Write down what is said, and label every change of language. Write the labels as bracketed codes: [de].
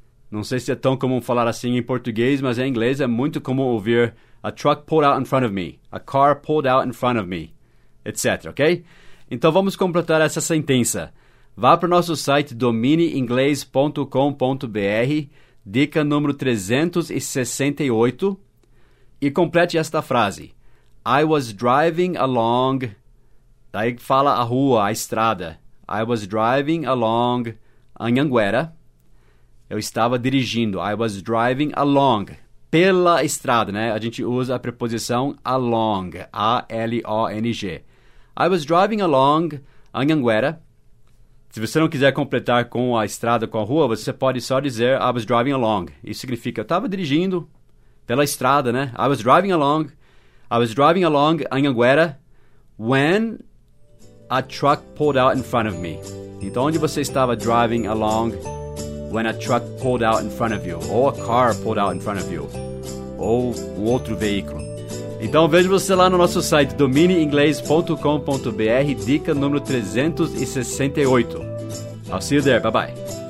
[pt] Não sei se é tão comum falar assim em português, mas em inglês é muito comum ouvir [en] a truck pulled out in front of me, [pt] a car pulled out in front of me. etc, ok? Então vamos completar essa sentença. Vá para o nosso site domineinglês.com.br, dica número 368, e complete esta frase. [en] I was driving along... [pt] Daí fala a rua, a estrada. [en] I was driving along Anhanguera. [pt] Eu estava dirigindo. [en] I was driving along. [pt] Pela estrada, né? A gente usa a preposição along. [en] A-L-O-N-G. I was driving along Anhanguera. [pt] Se você não quiser completar com a estrada, com a rua, você pode só dizer [en] I was driving along. [pt] Isso significa eu estava dirigindo pela estrada, né? [en] I was driving along. I was driving along Anhanguera when a truck pulled out in front of me. [pt] Então, onde você estava [en] driving along when a truck pulled out in front of you? Ou a car pulled out in front of you? [pt] Ou um outro veículo? Então, vejo você lá no nosso site, domineinglês.com.br, dica número 368. [en] I'll see you there. Bye-bye.